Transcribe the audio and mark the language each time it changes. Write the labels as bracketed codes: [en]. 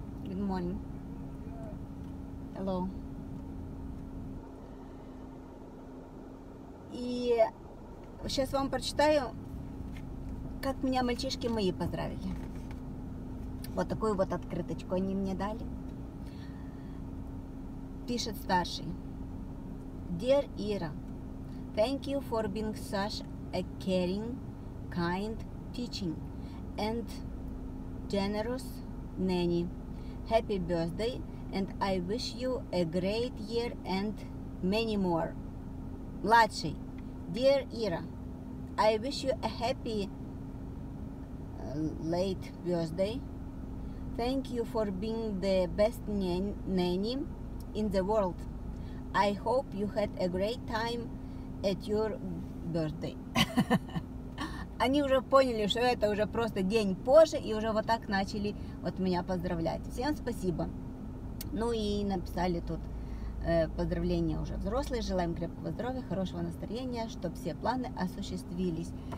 [en] Good morning. Hello. [ru] И сейчас вам прочитаю, как меня мальчишки мои поздравили. Вот такую вот открыточку они мне дали. Пишет старший. [en] Dear Ira, thank you for being such a caring, kind, teaching and generous nanny. Happy birthday, and I wish you a great year and many more. [ru] Младший. [en] Dear Ira, I wish you a happy late birthday. Thank you for being the best nanny in the world. I hope you had a great time at your birthday. [ru] Они уже поняли, что это уже просто день позже, и уже вот так начали вот меня поздравлять. Всем спасибо. Ну и написали тут поздравления уже взрослые. Желаем крепкого здоровья, хорошего настроения, чтобы все планы осуществились.